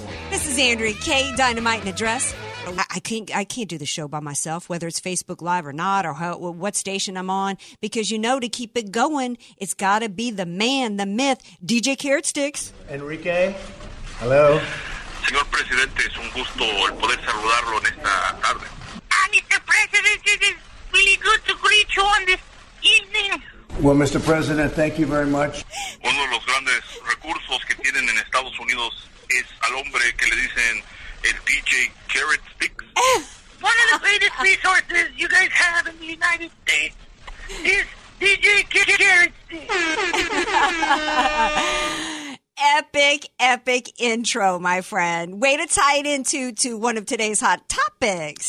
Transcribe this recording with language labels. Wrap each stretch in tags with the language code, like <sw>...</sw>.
<en>This is Andrea Kaye, Dynamite in a Dress. I can't do the show by myself, whether it's Facebook Live or not, or how, what station I'm on, because you know, to keep it going, it's got to be the man, the myth, DJ Carrot Sticks. Enrique, hello.</en> <es>Señor Presidente, es un gusto el poder saludarlo en esta tarde.</es> <en>Mr. President, it is really good to greet you on this evening. Well, Mr. President, thank you very much.</en> <es>Uno de los grandes recursos que tienen en Estados Unidos es al hombre que le dicen el DJ Carrot Sticks.</es> <en>One of the greatest resources you guys have in the United States is DJ Carrot Sticks. Epic, epic intro, my friend. Way to tie it into one of today's hot topics.</en>